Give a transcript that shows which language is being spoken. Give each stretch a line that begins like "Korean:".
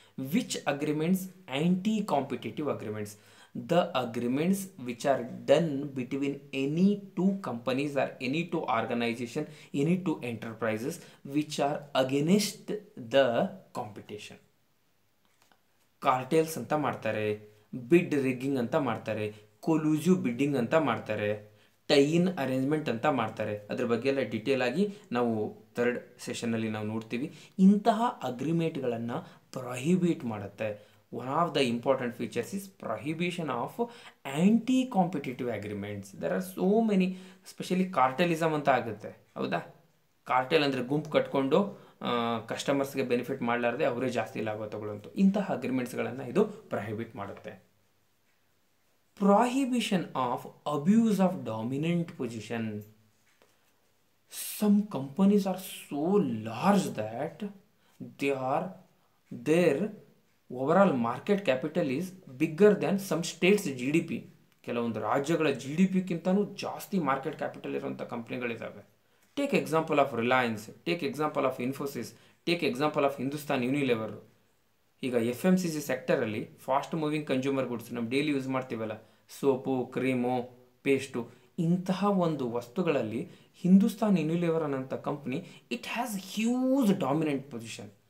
English: Which agreements? Anti-competitive agreements, the agreements which are done between any two companies or any two organization, any two enterprises which are against the competition.
Kannada: Cartels anta martare, bid rigging anta martare, collusive bidding anta martare, ಟೈನ್ arrangement ಅಂತ ಮಾಡ್ತಾರೆ. ಅದ್ರ ಬಗ್ಗೆ ಎಲ್ಲ detail ಆಗಿ ನಾವು third ಸೆಷನ್ನಲ್ಲಿ ನಾವು ನೋಡ್ತೀವಿ. ಇಂತಹ ಅಗ್ರಿಮೆಂಟ್ಗಳನ್ನು ಪ್ರೊಹಿಬಿಟ್ ಮಾಡುತ್ತೆ.
English: One of the important features is prohibition of anti competitive agreements. There are so many, specially
Kannada: ಕಾರ್ಟೆಲಿಸಮ್ ಅಂತ ಆಗುತ್ತೆ, ಹೌದಾ? ಕಾರ್ಟೆಲ್ ಅಂದರೆ ಗುಂಪು ಕಟ್ಕೊಂಡು ಕಸ್ಟಮರ್ಸ್ಗೆ ಬೆನಿಫಿಟ್ ಮಾಡಲಾರ್ದೆ ಅವರೇ ಜಾಸ್ತಿ ಲಾಭ ತೊಗೊಳ್ಳೋಂಥ ಇಂತಹ ಅಗ್ರಿಮೆಂಟ್ಸ್ಗಳನ್ನು ಇದು ಪ್ರೊಹಿಬಿಟ್ ಮಾಡುತ್ತೆ.
English: Prohibition of abuse of dominant position. Some companies are so large that their overall market capital is bigger than some states' GDP.
Kannada: ಕೆಲವೊಂದು ರಾಜ್ಯಗಳ ಜಿ ಡಿ ಪಿಕ್ಕಿಂತನೂ ಜಾಸ್ತಿ ಮಾರ್ಕೆಟ್ ಕ್ಯಾಪಿಟಲ್ ಇರುವಂಥ ಕಂಪ್ನಿಗಳಿದ್ದಾವೆ.
English: Take example of Reliance, take example of Infosys, take example of Hindustan Unilever.
Kannada: ಈಗ F M C C ಸೆಕ್ಟರಲ್ಲಿ fast moving consumer goods, ನಮ್ಮ daily use ಮಾಡ್ತೀವಲ್ಲ soap, cream, paste, ಇಂತಹ ಒಂದು ವಸ್ತುಗಳಲ್ಲಿ ಹಿಂದೂಸ್ತಾನ್ ಯೂನಿಲಿವರ್ ಅನ್ನೋಂಥ company
English: It has huge dominant position.